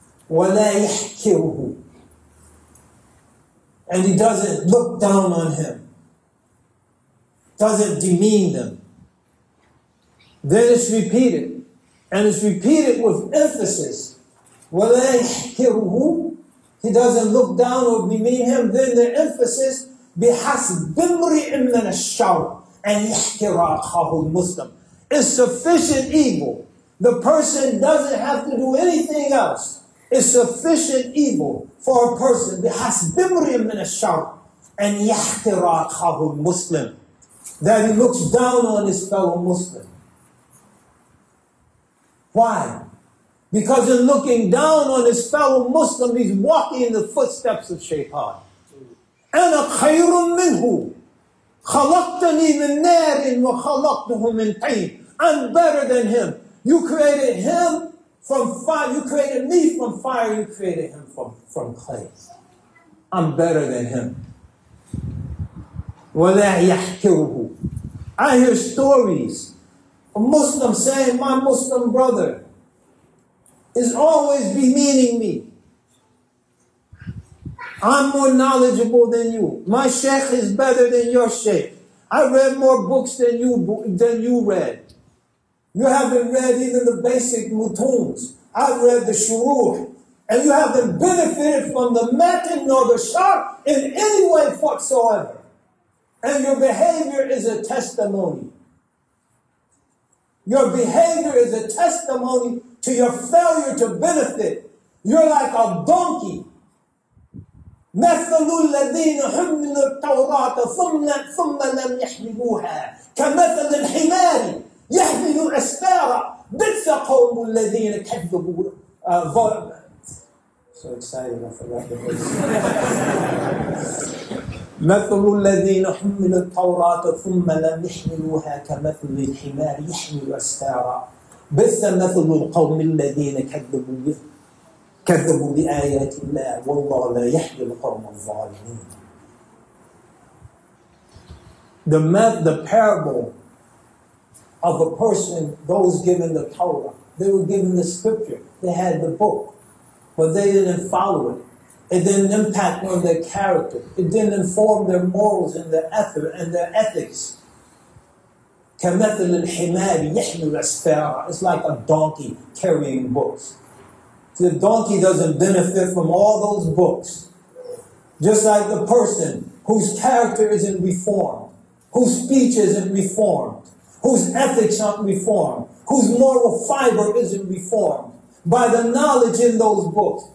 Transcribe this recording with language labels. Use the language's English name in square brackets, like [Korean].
[Arabic] وَلَا يَحْكِرُهُ [English] And he doesn't look down on him. Doesn't demean them. Then it's repeated, and it's repeated with emphasis. [Arabic] وَلَا يَحْكِرُهُ [English] He doesn't look down or demean him. Then the emphasis, [Arabic] بِحَسْبِ امْرِئٍ مِّنَ الشَّرِّ أَنْ يَحْكِرَ أَخَاهُ الْمُسْلِمُ [English] It's sufficient evil. The person doesn't have to do anything else. It's sufficient evil for a person, [Arabic] بِحَسْبِ امْرِئٍ مِّنَ الشَّرِّ أَنْ يَحْكِرَ أَخَاهُ الْمُسْلِمُ [English] That he looks down on his fellow Muslim. Why? Because in looking down on his fellow Muslim, he's walking in the footsteps of Shaytan. [Arabic] أَنَا خَيْرٌ مِّنْهُ خَلَقْتَنِي مِنْ نَارٍ وَخَلَقْتُهُ مِنْ طِينٍ [English] I'm better than him. You created him From fire, you created me from fire, you created him from clay. I'm better than him. [Arabic] وَلَا يَحْكِرُهُ. [English] I hear stories of Muslims saying, my Muslim brother is always bemeaning me. I'm more knowledgeable than you. My sheikh is better than your sheikh. I read more books than you read. You haven't read even the basic mutuns. I've read the shurur. And you haven't benefited from the matin nor the sharp in any way whatsoever. And your behavior is a testimony. Your behavior is a testimony to your failure to benefit. You're like a donkey. [Arabic] مثل الذين حملوا التوراة ثم لم يحملوها كمثل الحمار يحمل أسفارا بئس قوم الذين كذبوا ظلما. [English] So excited, I forgot the verse. [Arabic] مثل الذين حملوا التوراة ثم لم يحملوها كمثل الحمار يحمل أسفارا بئس مثل القوم الذين كذبوا كذبوا بآيات الله والله لا يحيي القوم الظالمين. [English] The parable of a person, those given the Torah, they were given the scripture, they had the book, but they didn't follow it. It didn't impact on their character. It didn't inform their morals and their ethic and their ethics. [Arabic] كمثل الحمار يحمل أسفارا. [English] It's like a donkey carrying books. The donkey doesn't benefit from all those books. Just like the person whose character isn't reformed, whose speech isn't reformed, whose ethics aren't reformed, whose moral fiber isn't reformed by the knowledge in those books.